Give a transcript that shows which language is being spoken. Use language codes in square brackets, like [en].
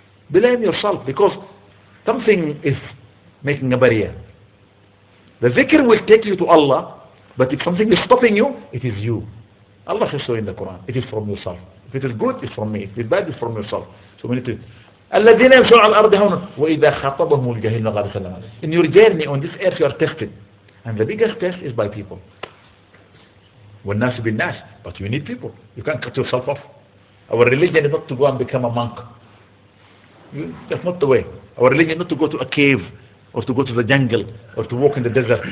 [en] Blame yourself because something is making a barrier. The dhikr will take you to Allah, but if something is stopping you, it is you. Allah says so in the Quran. It is from yourself. If it is good, it's from me. If it is bad, it's from yourself. So we need to [ar] الذين يمشون على الأرض هون وإذا خطبهم الجاهلون قالوا سلام عليكم. [en] In your journey on this earth you are tested and the biggest test is by people. [ar] والناس بالناس, [en] but you need people. You can't cut yourself off. Our religion is not to go and become a monk. That's not the way. Our religion is not to go to a cave or to go to the jungle or to walk in the desert.